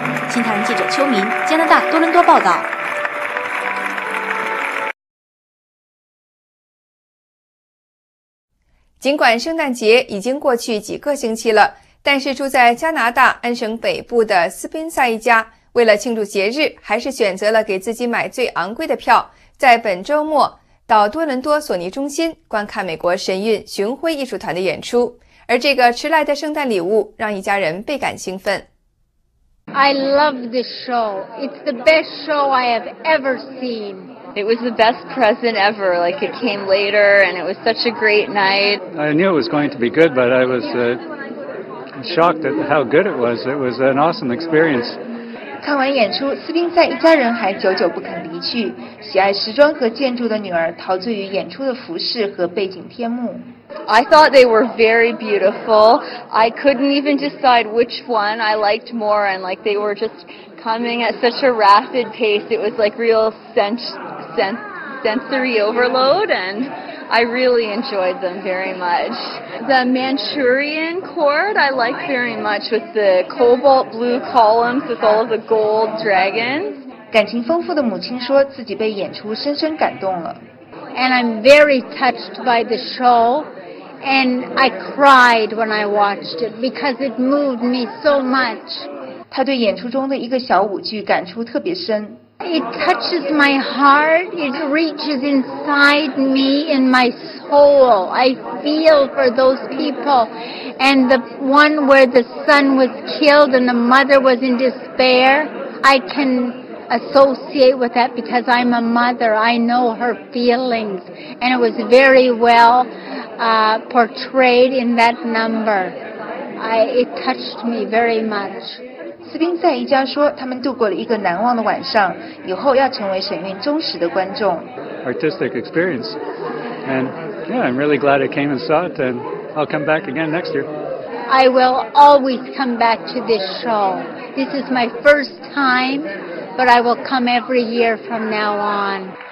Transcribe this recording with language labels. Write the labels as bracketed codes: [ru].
[zh] 新唐人记者邱明，加拿大多伦多报道。尽管圣诞节已经过去几个星期了，但是住在加拿大安省北部的斯宾塞一家，为了庆祝节日，还是选择了给自己买最昂贵的票，在本周末到多伦多索尼中心观看美国神韵巡回艺术团的演出，而这个迟来的圣诞礼物让一家人倍感兴奋。 [en] I love this show. It's the best show I have ever seen. It was the best present ever. Like it came later, and it was such a great night. I knew it was going to be good, but I was shocked at how good it was. It was an awesome experience. [zh] 看完演出，斯宾塞一家人还久久不肯离去。喜爱时装和建筑的女儿陶醉于演出的服饰和背景天幕。 [en] I thought they were very beautiful. I couldn't even decide which one I liked more, and like they were just coming at such a rapid pace. It was like real sensory overload, and I really enjoyed them very much. The Manchurian chord I like very much with the cobalt blue columns with all of the gold dragons. [zh] 感情丰富的母亲说自己被演出深深感动了。 [en] And I'm very touched by the show, and I cried when I watched it because it moved me so much. [zh] 她对演出中的一个小舞剧感触特别深。 [en] It touches my heart. It reaches inside me in my soul. I feel for those people. And the one where the son was killed and the mother was in despair, I can associate with that because I'm a mother. I know her feelings. And it was very well portrayed in that number. It touched me very much. [zh] 斯宾塞一家说，他们度过了一个难忘的晚上，以后要成为神韵忠实的观众。 [en] Artistic experience, and yeah, I'm really glad I came and saw it, and I'll come back again next year. I will always come back to this show. This is my first time, but I will come every year from now on.